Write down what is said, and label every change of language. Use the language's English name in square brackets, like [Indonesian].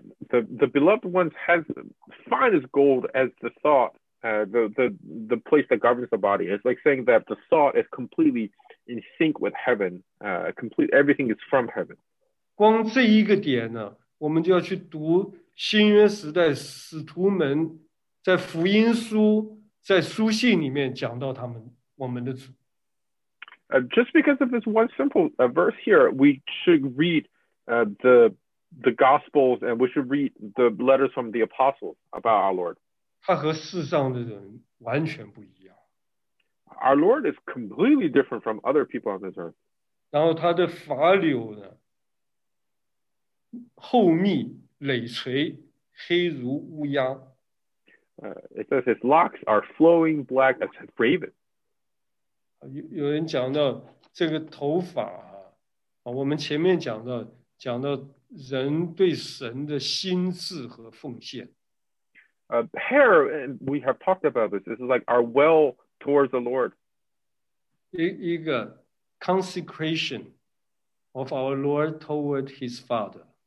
[English] The beloved ones has finest gold as the thought, the place that governs the body. It's like saying that the thought is completely in sync with heaven. Complete everything is from heaven. [Chinese] 光这一个点呢，我们就要去读新约时代使徒们在福音书在书信里面讲到他们我们的主。 [English] Just because of this one simple verse here, we should read the Gospels, and we should read the letters from the Apostles about our Lord. [Chinese] 他和世上的人完全不一样。 [English] Our Lord is completely different from other people on this earth. [Chinese] 然后他的法纽呢，厚密累垂，黑如乌鸦。 [English] It says his locks are flowing black as a raven. [Chinese] 有人讲到这个头发啊，我们前面讲到人对神的心智和奉献。 [English] Hair, and we have talked about this. This is like our well towards the Lord. 一个 consecration of our Lord toward His Father.